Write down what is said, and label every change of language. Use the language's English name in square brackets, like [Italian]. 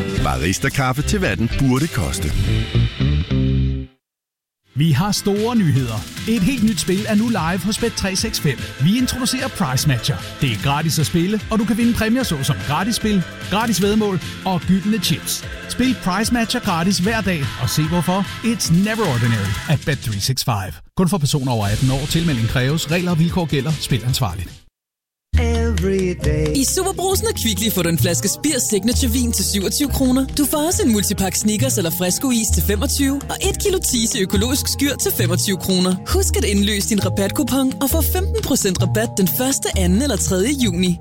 [Danish] Barista-kaffe til hvad den burde koste. Vi har store nyheder. Et helt nyt spil er nu live hos Bet365. Vi introducerer Price Matcher. Det er gratis at spille, og du kan vinde præmier såsom gratis spil, gratis væddemål og gyldne chips. Spil Price Matcher gratis hver dag og se hvorfor. [English] It's never ordinary at Bet365. [Danish] Kun for personer over 18 år. Tilmelding kræves. Regler og vilkår gælder. Spil ansvarligt. I Superbrugsen og Kvickly får du en flaske Spears Signature Vin til 27 kroner. Du får også en multipak Snickers eller Fresco Is til 25 og 1 kilo Tise økologisk skyr til 25 kroner. Husk at indløse din rabatkupon og få 15% rabat den 1., 2. eller 3. juni.